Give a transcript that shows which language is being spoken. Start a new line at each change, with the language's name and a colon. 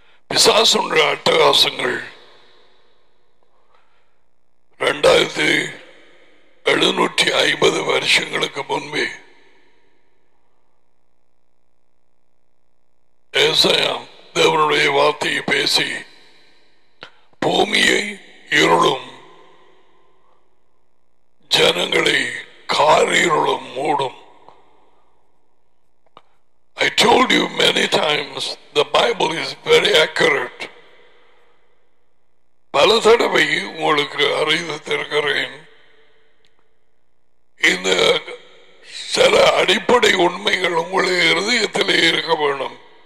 Tamil: பிசாசுன்ற அட்டகாசங்கள் 2750 வருஷங்களுக்கு முன்பே ஏசாயா தேவனுடைய வார்த்தையை பேசி பூமியை இருளும் ஜனங்களை காரிருளும் மூடும்.
English: I told you many times the Bible is very accurate.
Tamil: பல தடவை உங்களுக்கு அறிவித்திருக்கிறேன், இந்த சில அடிப்படை உண்மைகள் உங்களுடைய இருதயத்திலே இருக்க வேண்டும்.